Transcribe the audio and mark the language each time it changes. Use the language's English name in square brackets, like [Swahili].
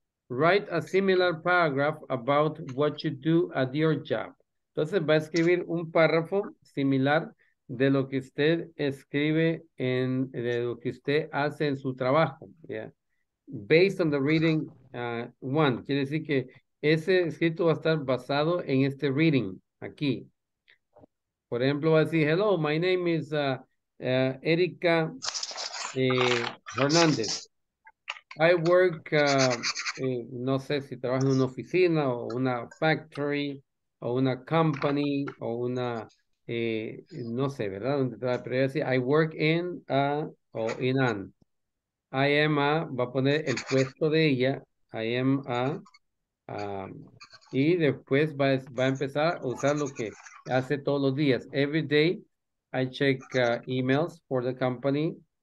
[English] Write a similar paragraph about what you do at your job. [Spanish] Entonces va a escribir un párrafo similar de lo que usted escribe en de lo que usted hace en su trabajo. Yeah. [English] Based on the reading one. [Spanish] Quiere decir que ese escrito va a estar basado en este reading aquí. Por ejemplo, va a decir, [English] hello, my name is [Spanish] Erika Hernández. [English] I work, [Spanish] no sé si trabajo en una oficina o una factory o una company o una, no sé, ¿verdad? Donde trabaja, pero así, [English] I work in a [Spanish] o in an. [English] I am a, [Spanish] va a poner el puesto de ella, I am a, Y después va a empezar a usar lo que hace todos los días. [English] Every day I check emails for the company.